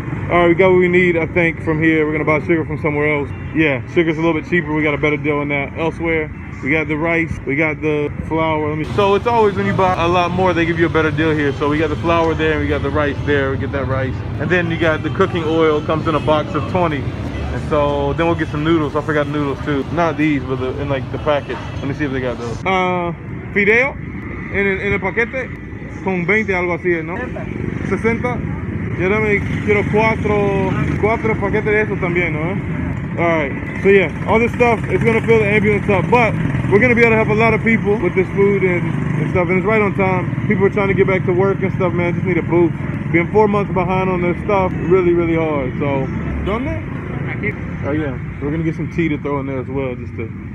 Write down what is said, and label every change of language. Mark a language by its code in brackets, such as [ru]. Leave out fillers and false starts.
[en] All right, we got what we need, I think, from here. We're gonna buy sugar from somewhere else. Yeah, sugar's a little bit cheaper. We got a better deal on that elsewhere. We got the rice, we got the flour. So it's always when you buy a lot more, they give you a better deal here. So we got the flour there, we got the rice there, we get that rice. And then you got the cooking oil, comes in a box of 20. And so then we'll get some noodles. I forgot noodles too. Not these, but in like the packet. Let me see if they got those. [es] Fideo, en el paquete, con 20, algo así, ¿no? 60. Yo también quiero cuatro paquetes de eso también, ¿no? [en] All right, so yeah, all this stuff is gonna fill the ambulance up, but we're gonna be able to help a lot of people with this food and stuff, and it's right on time. People are trying to get back to work and stuff, man, just need a boost. Being 4 months behind on their stuff, really, really hard, so. [es] ¿Dónde? Aquí. [en] Oh yeah, we're gonna get some tea to throw in there as well, just to.